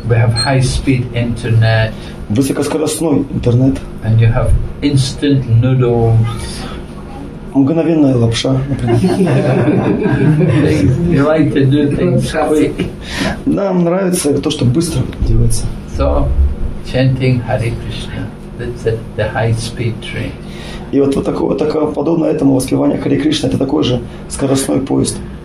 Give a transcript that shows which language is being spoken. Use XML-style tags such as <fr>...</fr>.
<en>We have high-speed internet.</en> <ru>Высокоскоростной интернет.</ru> <en>And you have instant noodles.</en> <ru>Мгновенная лапша, например.</ru> <en>You like to do things quick.</en> <ru>Нам нравится то, что быстро делается.</ru> <en>So, chanting Hare Krishna, that's it, the high-speed train.</en> <ru>И вот, такое подобное этому воспевание Харе Кришна, это такой же скоростной поезд.</ru>